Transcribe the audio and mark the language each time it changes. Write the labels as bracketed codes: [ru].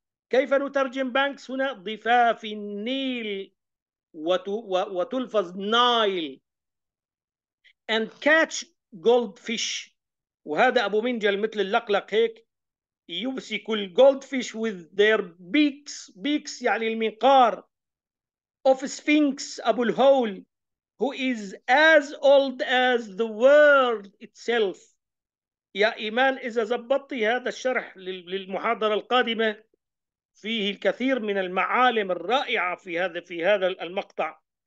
[ar] كيف نترجم بانكس هنا؟ ضفاف النيل وتلفظ نايل. [en] And catch goldfish. [ar] وهذا أبو منجل مثل اللقلق هيك يمسك الgoldfish [en] with their beaks. [ar] Beaks يعني المنقار. [en] Of Sphinx أبو الهول, who is as old as the world itself. [ar] يا إيمان إذا زبطت هذا الشرح للمحاضرة القادمة فيه الكثير من المعالم الرائعة في هذا المقطع.